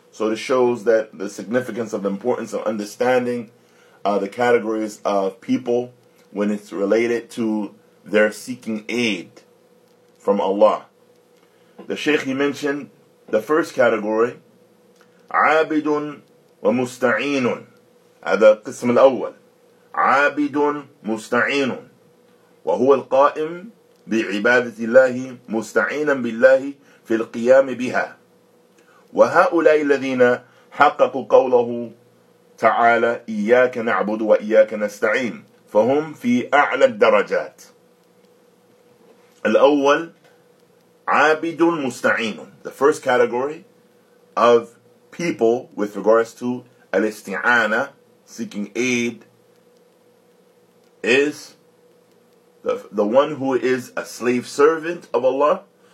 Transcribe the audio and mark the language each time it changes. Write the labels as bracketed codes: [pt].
[en] So this shows that the significance of the importance of understanding the categories of people when it's related to their seeking aid from Allah. The Shaykh, he mentioned the first category, [ar] عَابِدٌ وَمُسْتَعِينٌ. هذا القسم الأول. عَابِدٌ مُسْتَعِينٌ. وهو القائم بعبادة الله مستعينا بالله في القيام بها. وهؤلاء الذين حققوا قوله تعالى إياك نعبد وإياك نستعين فهم في أعلى الدرجات. الأول عابد مستعين. [en] The first category of people with regards to الاستعانة, seeking aid, is the one who is a slave servant of Allah.